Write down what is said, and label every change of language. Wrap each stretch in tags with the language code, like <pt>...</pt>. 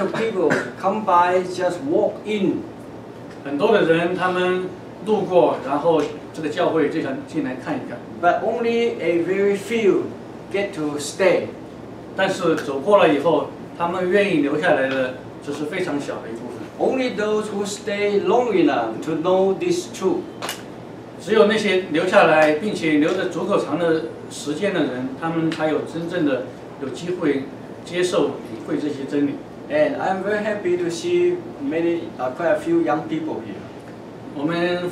<en>of people come by just walk in.</en> <zh>很多的人他们路过，然后这个教会就想进来看一看。</zh> <en>But only a very few get to stay.</en> <zh>但是走过了以后，他们愿意留下来的只是非常小的一部分。</zh> <en>Only those who stay long enough to know this truth.</en> <zh>只有那些留下来并且留着足够长的时间的人，他们才有真正的有机会接受领会这些真理。</zh> <en>And I'm very happy to see many, quite a few young people here.</en>